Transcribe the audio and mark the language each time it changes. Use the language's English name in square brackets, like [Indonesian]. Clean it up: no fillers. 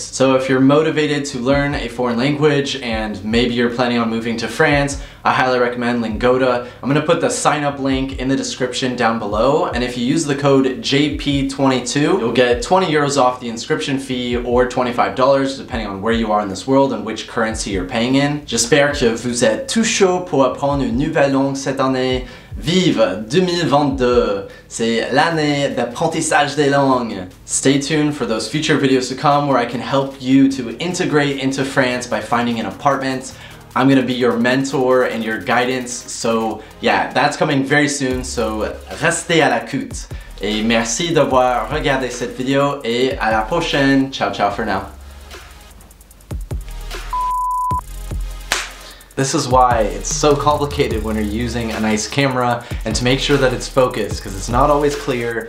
[English] So if you're motivated to learn a foreign language and maybe you're planning on moving to France, I highly recommend Lingoda. I'm gonna put the sign up link in the description down below, and if you use the code JP22, you'll get 20 euros off the inscription fee or $25 depending on where you are in this world and which currency you're paying in. [French] J'espère que vous êtes tout chaud pour apprendre une nouvelle langue cette année. Vive 2022! C'est l'année d'apprentissage des langues! [English] Stay tuned for those future videos to come where I can help you to integrate into France by finding an apartment. I'm gonna be your mentor and your guidance. So yeah, that's coming very soon. So [French] restez à l'écoute. Et merci d'avoir regardé cette vidéo et à la prochaine. [English] Ciao, ciao for now. This is why it's so complicated when you're using a nice camera and to make sure that it's focused, because it's not always clear.